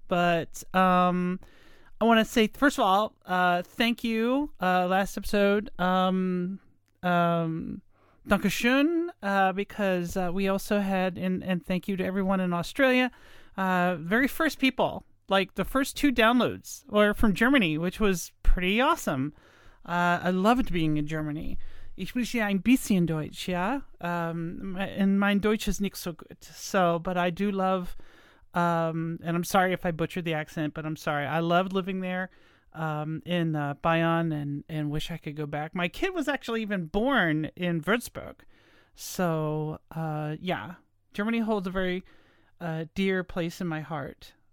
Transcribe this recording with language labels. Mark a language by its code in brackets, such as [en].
[en] But I want to say, first of all, thank you, last episode, [de] danke schön, [en] because we also had, and thank you to everyone in Australia, very first people, like the first two downloads were from Germany, which was pretty awesome. I loved being in Germany. [de] Ich spreche ein bisschen Deutsch, ja? And mein Deutsch ist nicht so gut, [en] but I do love... and I'm sorry if I butchered the accent, but I'm sorry. I loved living there, in, Bayern and wish I could go back. My kid was actually even born in Würzburg. So, yeah, Germany holds a very, dear place in my heart.